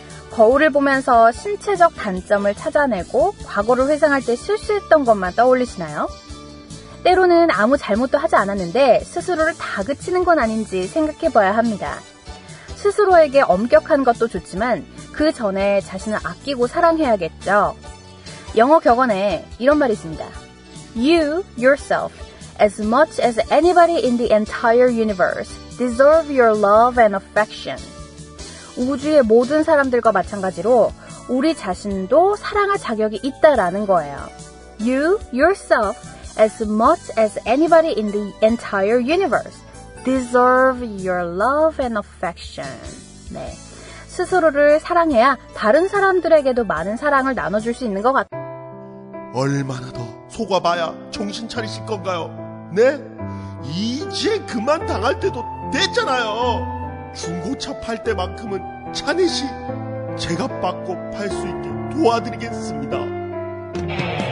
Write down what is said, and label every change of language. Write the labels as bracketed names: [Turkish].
[Korean] 거울을 보면서 신체적 단점을 찾아내고 과거를 회상할 때 실수했던 것만 떠올리시나요? 때로는 아무 잘못도 하지 않았는데 스스로를 다그치는 건 아닌지 생각해봐야 합니다. 스스로에게 엄격한 것도 좋지만 그 전에 자신을 아끼고 사랑해야겠죠. 영어 격언에 이런 말이 있습니다. [English] You, yourself, as much as anybody in the entire universe, deserve your love and affection. [Korean] 우주의 모든 사람들과 마찬가지로 우리 자신도 사랑할 자격이 있다라는 거예요. [English] You, yourself, as much as anybody in the entire universe, deserve your love and affection. [Korean] 네. 스스로를 사랑해야 다른 사람들에게도 많은 사랑을 나눠줄 수 있는 것 같아요. 얼마나 더 속아봐야 정신 차리실 건가요? 네? 이제 그만 당할 때도 됐잖아요. 중고차 팔 때만큼은 차내시 제가 받고 팔 수 있게 도와드리겠습니다.